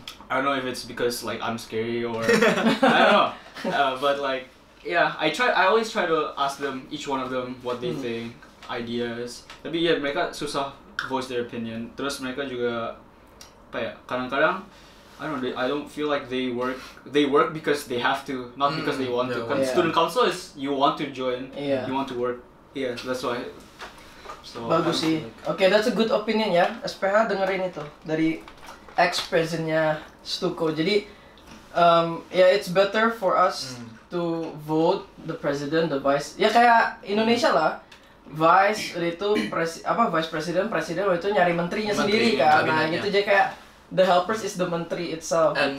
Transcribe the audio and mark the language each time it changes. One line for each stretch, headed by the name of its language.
English: I don't know if it's because like I'm scary or I don't know. But like, yeah, I always try to ask them, each one of them, what they think, ideas. Tapi yeah,
Indonesian: mereka susah
English: voice their opinion.
Indonesian: Terus mereka juga apa ya?
English: Kadang-kadang, I don't feel like they work because they have to, not because they want to. Because student council is you want to join, you want to work. Yeah, that's why. So,
Indonesian: bagus sih.
English: Okay, that's a good opinion ya.
Indonesian: SPH dengerin itu dari ex-presidennya Stuko.
English: Jadi, it's better for us to vote the president, the vice.
Indonesian: Ya kayak Indonesia lah. Vice itu vice president itu nyari menterinya sendiri kan. Nah, gitu aja kayak
English: the helpers is the
Indonesian: menteri itself.
English: And